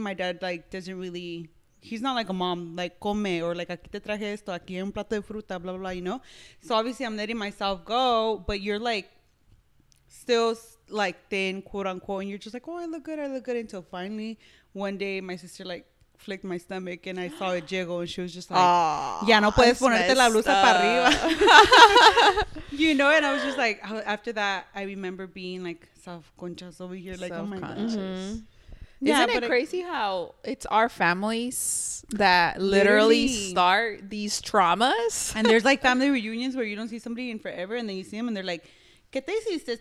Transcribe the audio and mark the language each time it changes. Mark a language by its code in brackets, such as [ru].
[en] My dad like doesn't really, he's not like a mom, like come or like [es] aquí te traje esto, aquí hay un plato de fruta, [en] blah, blah, blah, you know? So obviously I'm letting myself go, but you're like still like thin, quote unquote, and you're just like, oh, I look good, until finally one day my sister like flicked my stomach and I saw it jiggle and she was just like, oh, [es] ya no puedes ponerte la blusa para arriba. [en] You know, and I was just like, after that I remember being like self-conscious over here, like, oh my gosh. Mm-hmm. Yeah, isn't it crazy how it's our families that literally start these traumas? And there's like family reunions where you don't see somebody in forever and then you see them and they're like, [es] ¿qué te hiciste?